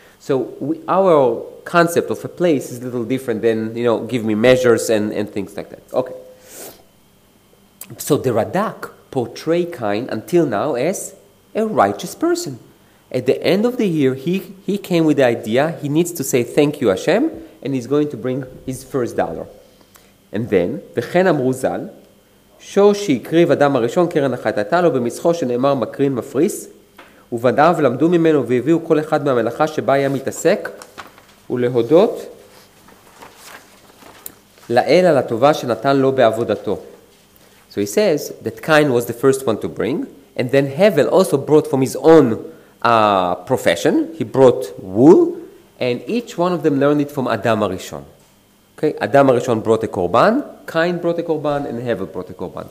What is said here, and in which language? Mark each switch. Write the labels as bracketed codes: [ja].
[en] So our concept of a place is a little different than, give me measures and things like that. Okay. So the Radak portray Cain until now as a righteous person. At the end of the year, he came with the idea, he needs to say thank you, Hashem, and he's going to bring his first dollar. And then, [he] וכן אמרו זל, שור שיקריב אדם הראשון קרן החטאתה לו במצחו שנאמר מקרין מפריס, ובדיו למדו ממנו והביאו כל אחד מהמלאכה שבה היה מתעסק, ולהודות לאל על הטובה שנתן לו בעבודתו. [en] So he says that Cain was the first one to bring, and then Hevel also brought from his own profession, he brought wool, and each one of them learned it from Adam HaRishon. Okay, Adam HaRishon brought a korban, Cain brought a korban, and Hevel brought a korban.